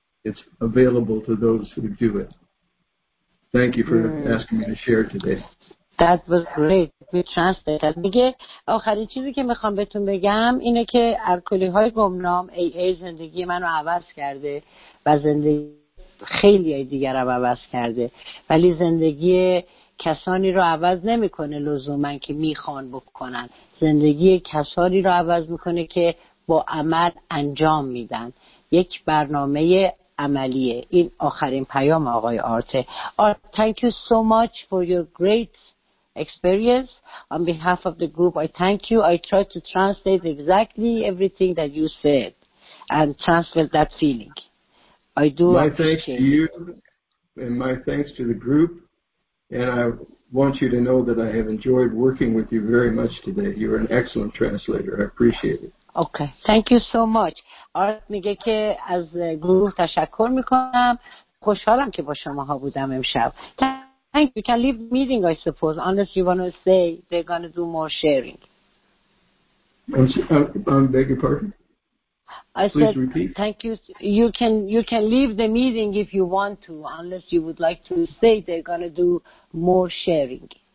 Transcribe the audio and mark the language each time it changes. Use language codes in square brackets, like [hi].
[en] It's available to those who do it. Thank you for asking me to share today. That was great. We translated. [fa] میگه آخرین چیزی که میخوام بهتون بگم اینه که الکلی های گمنام AA زندگی منو عوض کرده و زندگی خیلی های دیگر رو عوض کرده، ولی زندگی کسانی رو عوض نمیکنه لزومن که میخوان بکنن، زندگی کسانی رو عوض میکنه که با عمل انجام میدن. یک برنامه عملیه. این آخرین پیام آقای آرته. [en] Thank you so much for your great experience. On behalf of the group, I thank you. I tried to translate exactly everything that you said and translate that feeling. I do appreciate it. My thanks to you and my thanks to the group. And I want you to know that I have enjoyed working with you very much today. You're an excellent translator. I appreciate it. Okay, thank you so much. [fa] آرت میگه که از گروه تشکر میکنم. خوشحالم که با شماها بودم امشب. [en] Thank you. You can leave the meeting, I suppose, unless you want to say they're going to do more sharing. I'm beg your pardon? Please repeat. Thank you. You can leave the meeting if you want to, unless you would like to say they're going to do more sharing.